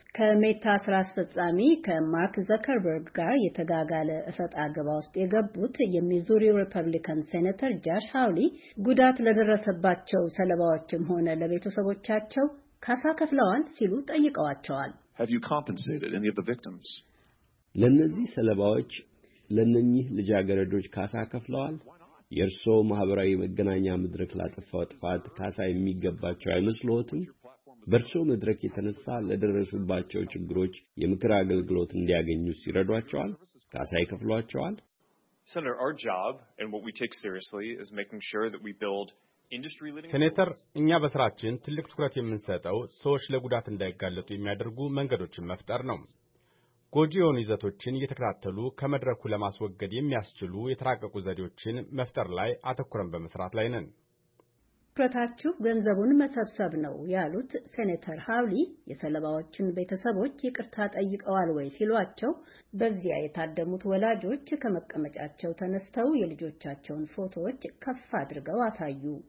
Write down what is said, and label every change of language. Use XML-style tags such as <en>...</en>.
<am>ከሜታ ስራ አስፈጻሚ ከማርክ ዘከርበርግ ጋር የተጋጋለ እሰጥ አገባ ውስጥ የገቡት የሚዙሪ ሪፐብሊካን ሴኔተር ጃሽ ሃውሊ ጉዳት ለደረሰባቸው ሰለባዎችም ሆነ ለቤተሰቦቻቸው ካሳ ከፍለዋል ሲሉ ጠይቀዋቸዋል።</am> <en>Have you compensated any of the victims?</en> <am>ለነዚህ ሰለባዎች ለነኚህ ልጃገረዶች ካሳ ከፍለዋል? የርሶ ማህበራዊ መገናኛ መድረክ ላጠፋው ጥፋት ካሳ የሚገባቸው አይመስልዎትም? በርሶ መድረክ የተነሳ ለደረሰባቸው ችግሮች የምክር አገልግሎት እንዲያገኙ ሲረዷቸዋል? ካሳ ይከፍሏቸዋል?</am> <en>Senator, our job and what we take seriously is making sure that we build industry leading</en> <am>Senator, እኛ በስራችን ትልቅ ትኩረት የምንሰጠው ሰዎች ለጉዳት እንዳይጋለጡ የሚያደርጉ መንገዶችን መፍጠር ነው። ጎጂውን ይዘቶችን እየተከታተሉ ከመድረኩ ለማስወገድ የሚያስችሉ የተራቀቁ ዘዴዎችን መፍጠር ላይ አተኩረን በመስራት ላይ ነን። ፕሮታችሁ ገንዘቡን መሰብሰብ ነው ያሉት ሴኔተር ሃውሊ የሰለባዎችን ቤተሰቦች ይቅርታ ጠይቀዋል ወይ ሲሏቸው በዚያ የታደሙት ወላጆች ከመቀመጫቸው ተነስተው የልጆቻቸውን ፎቶዎች ከፍ አድርገው አሳዩ።</am>